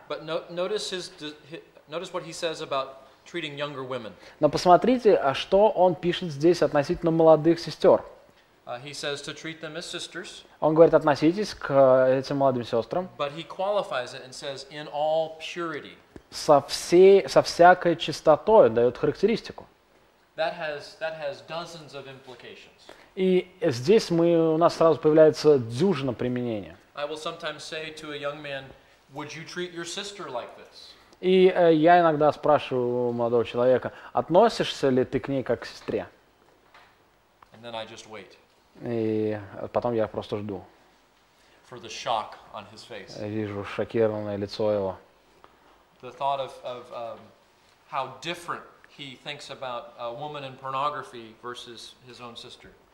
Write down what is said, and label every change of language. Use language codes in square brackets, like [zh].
[en] But notice what he says about treating younger women. [ru] Но посмотрите, что он пишет здесь относительно молодых сестер. [en] He says to treat them as sisters. [ru] Он говорит, относитесь к этим молодым сестрам. [en] But he qualifies it and says, in all purity. [ru] Со всякой чистотой, дает характеристику. [en] That has dozens of implications. [ru] И здесь у нас сразу появляется дюжина применения. [en] I will sometimes say to a young man, would you treat your sister like this? [ru] И я иногда спрашиваю у молодого человека, относишься ли ты к ней как к сестре? [en] And then I just wait. [ru] И потом я просто жду. [en] For the shock on his face. [ru] Я вижу шокированное лицо его. [en] The thought of how different he thinks about a woman in pornography versus his own sister.